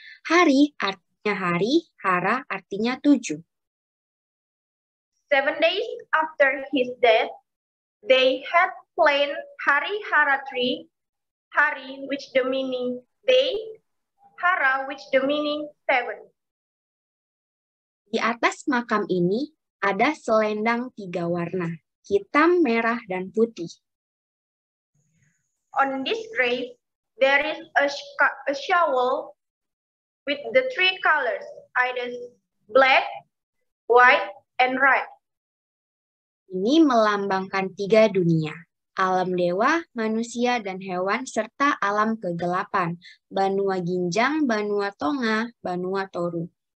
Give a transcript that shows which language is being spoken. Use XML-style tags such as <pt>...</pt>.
<id>Hari artinya hari, Hara artinya 7.</id> <en>7 days after his death, they had planted Harihara tree, Hari which the meaning day, Hara which the meaning 7.</en> <id>Di atas makam ini ada selendang 3 warna, hitam, merah, dan putih.</id> <en>On this grave, there is a shovel with the 3 colors, either black, white, and red.</en> <id>Ini melambangkan 3 dunia, alam dewa, manusia, dan hewan, serta alam kegelapan, Banua Ginjang, Banua Tonga, Banua Toru.</id>